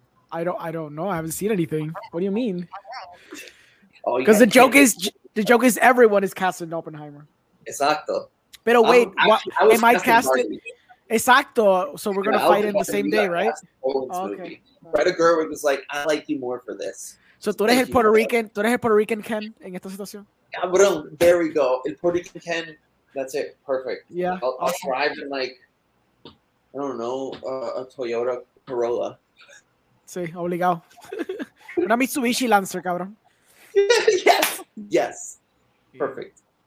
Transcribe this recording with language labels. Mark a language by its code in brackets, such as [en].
[en] I don't know. I haven't seen anything. What do you mean? Oh, because the joke is everyone is cast in Oppenheimer. [es] Exacto. [en] But wait, am I cast in? Exacto. So we're going to fight in the same day, right? Greta Gerwig was like, I like you more for this. [es] So tú eres el Puerto Rican, Ken, en esta situación? [en] Cabrón, there we go. El Puerto Rican Ken, that's it. Perfect. Yeah. I'll drive in like, I don't know, a Toyota Corolla. [es] Sí, obligado. Una Mitsubishi Lancer, cabrón. [en] Yes. Yes. Perfect.